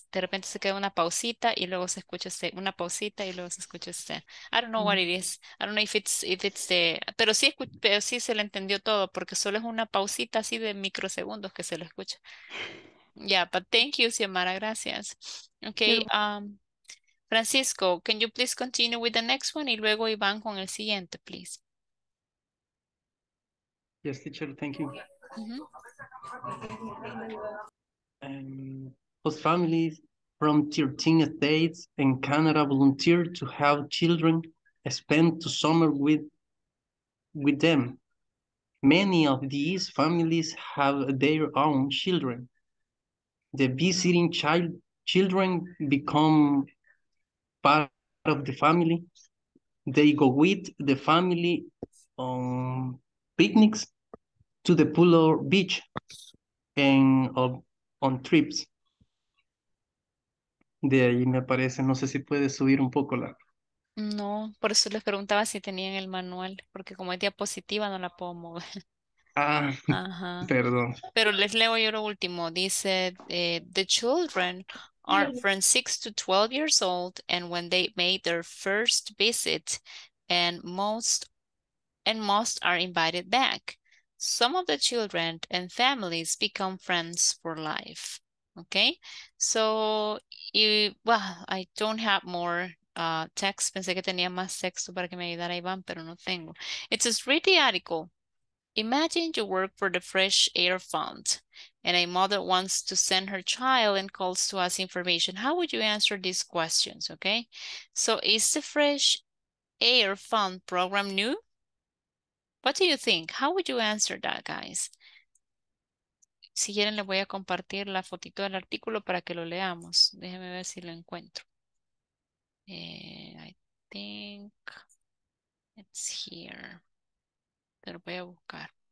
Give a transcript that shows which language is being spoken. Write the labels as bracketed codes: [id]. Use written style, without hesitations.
[es] De repente se queda una pausita y luego se escucha usted. Una pausita y luego se escucha usted. [en] I don't know what it is. I don't know if it's the... [es] Pero sí se le entendió todo porque solo es una pausita así de microsegundos que se lo escucha. [en] Yeah, but thank you, Xiomara. Gracias. Okay. Francisco, can you please continue with the next one? [es] Y luego Iván con el siguiente, [en] please. Yes, teacher, thank you. Mm-hmm. Host families from 13 states in Canada volunteer to have children spend the summer with them. Many of these families have their own children. The visiting children become part of the family. They go with the family on picnics, to the pool or beach, and on trips. [es] De ahí me parece, no sé si puede subir un poco la... No, por eso les preguntaba si tenían el manual, porque como es diapositiva no la puedo mover. Perdón. Pero les leo yo lo último, dice, [en] the children are from 6 to 12 years old, and when they made their first visit, and most are invited back. Some of the children and families become friends for life. Okay, so I don't have more text. [es] Pensé que tenía más texto para que me ayudara Iván, pero no tengo. [en] It says, read the article. Imagine you work for the Fresh Air Fund, and a mother wants to send her child and calls to ask information. How would you answer these questions? Okay, so is the Fresh Air Fund program new? What do you think? How would you answer that, guys? [es] Si quieren, le voy a compartir la fotito del artículo para que lo leamos. Déjeme ver si lo encuentro. [en] I think it's here. [es] Te lo voy a buscar.